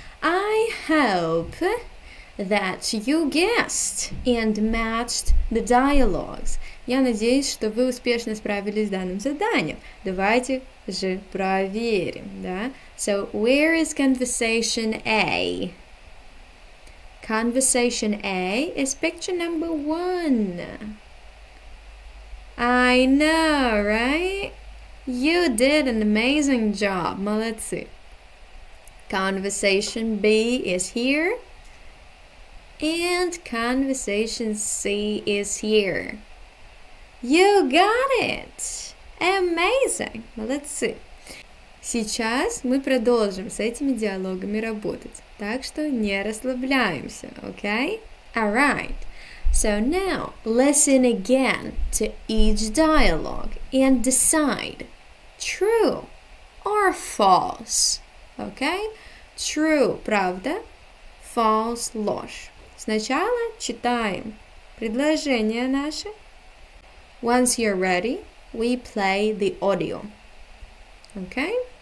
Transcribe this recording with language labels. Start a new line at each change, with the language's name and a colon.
English: I hope that you guessed and matched the dialogues.
Russian: Я надеюсь, что вы успешно справились с данным заданием. Давайте же проверим, да?
English: So, where is conversation A? Conversation A is picture number one. I know, right? You did an amazing job.
Russian: Молодцы.
English: Conversation B is here. And conversation C is here. You got it! Amazing!
Russian: Молодцы. Сейчас мы продолжим с этими диалогами работать. Так что не расслабляемся, okay?
English: All right. So now, listen again to each dialogue and decide, true or false, okay?
Russian: True – правда, false – ложь. Сначала читаем предложение наше.
English: Once you're ready, we play the audio, okay?